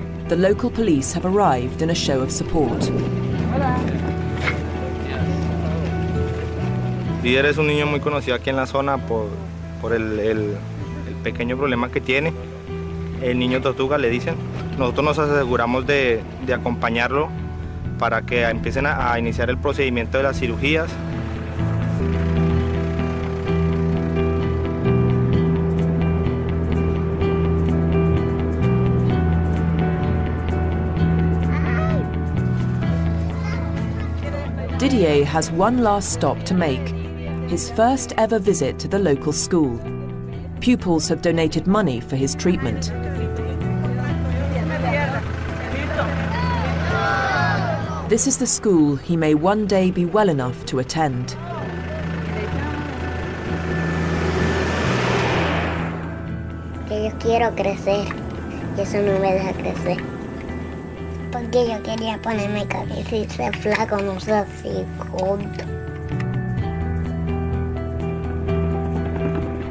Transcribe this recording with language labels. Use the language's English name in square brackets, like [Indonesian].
[English] The local police have arrived in a show of support. [Spanish] Hola. Didier es un niño muy conocido aquí en la zona por el pequeño problema que tiene. El niño tortuga, le dicen. Nosotros nos aseguramos de acompañarlo para que empiecen a iniciar el procedimiento de las cirugías. [English] Didier has one last stop to make. His first ever visit to the local school. Pupils have donated money for his treatment. This is the school he may one day be well enough to attend. [Spanish] Que yo quiero crecer, y eso no me deja crecer. Porque yo quería ponerme cabecita, ser flaco, no ser así, gordo.